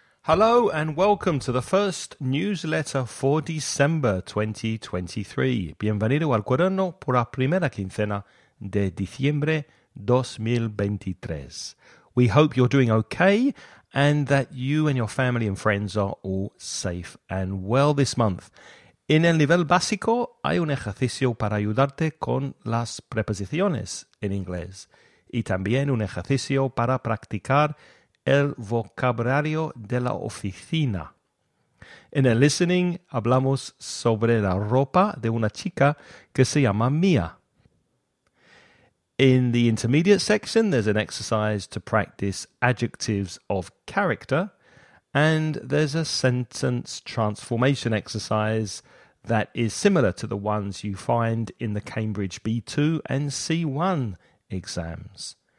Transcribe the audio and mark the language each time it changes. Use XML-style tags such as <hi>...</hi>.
<en>Hello and welcome to the first newsletter for December 2023.</en> <es>Bienvenido al cuaderno por la primera quincena de diciembre 2023.</es> <en>We hope you're doing okay and that you and your family and friends are all safe and well this month.</en> <es>En el nivel básico hay un ejercicio para ayudarte con las preposiciones en inglés y también un ejercicio para practicar el vocabulario de la oficina. En el listening hablamos sobre la ropa de una chica que se llama Mia.</es> <en>In the intermediate section, there's an exercise to practice adjectives of character, and there's a sentence transformation exercise that is similar to the ones you find in the Cambridge B2 and C1 exams.</en>